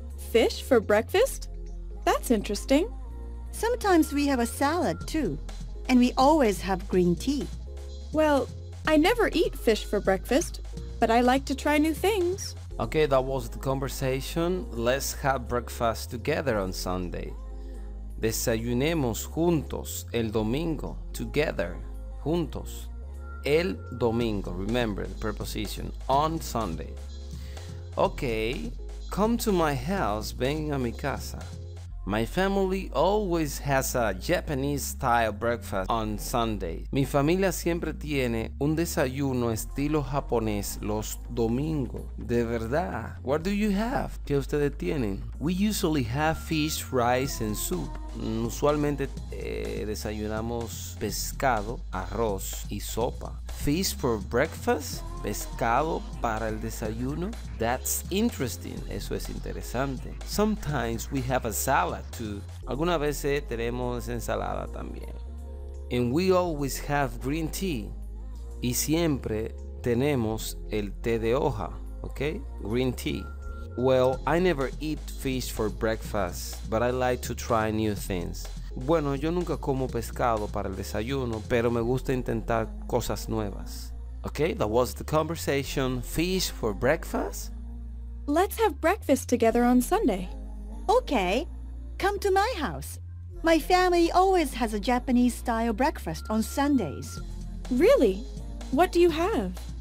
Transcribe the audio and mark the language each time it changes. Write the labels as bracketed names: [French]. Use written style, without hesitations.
[English] Fish for breakfast? That's interesting. Sometimes we have a salad, too. And we always have green tea. Well, I never eat fish for breakfast, but I like to try new things. Okay, that was the conversation. Let's have breakfast together on Sunday. [Spanish] Desayunemos juntos el domingo. [English] Together. [Spanish] Juntos. El domingo. [English] Remember the preposition. On Sunday. Okay. Come to my house. [Spanish] Ven a mi casa. [English] My family always has a Japanese-style breakfast on Sunday. [Spanish] Mi familia siempre tiene un desayuno estilo japonés los domingos. De verdad. [English] What do you have? [Spanish] ¿Qué ustedes tienen? [English] We usually have fish, rice, and soup. [Spanish] Usualmente desayunamos pescado, arroz y sopa. [English] Fish for breakfast? [Spanish] Pescado para el desayuno? [English] That's interesting. [Spanish] Eso es interesante. [English] Sometimes we have a salad too. [Spanish] Algunas veces tenemos ensalada también. [English] And we always have green tea. [Spanish] Y siempre tenemos el té de hoja. [English] Okay? Green tea. Well, I never eat fish for breakfast, but I like to try new things. Bueno, yo nunca como pescado para el desayuno, pero me gusta intentar cosas nuevas. Okay, that was the conversation. Fish for breakfast? Let's have breakfast together on Sunday. Okay, come to my house. My family always has a Japanese-style breakfast on Sundays. Really? What do you have?